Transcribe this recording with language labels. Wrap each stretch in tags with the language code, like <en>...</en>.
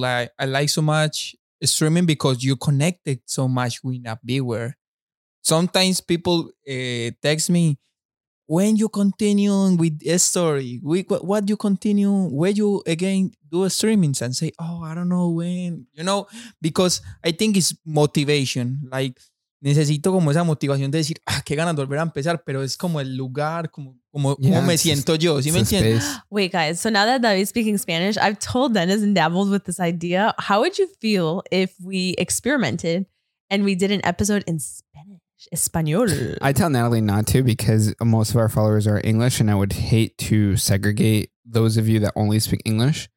<en>Like, I like so much streaming because you connected so much with a viewer. Sometimes people text me, when you continue with a story, what do you continue? Where you again do a streamings and say, oh, I don't know when, you know, because I think it's motivation.</en> <es>Like, necesito como esa motivación de decir, ah, qué ganas de volver a empezar, pero es como el lugar, como me siento yo. ¿Sí me entiendes?</es> <en>Wait, guys. So now that David's speaking Spanish, I've told Dennis and dabbled with this idea. How would you feel if we experimented and we did an episode in Spanish?</en> <es>Español.</es> <en>I tell Natalie not to because most of our followers are English and I would hate to segregate those of you that only speak English.</en>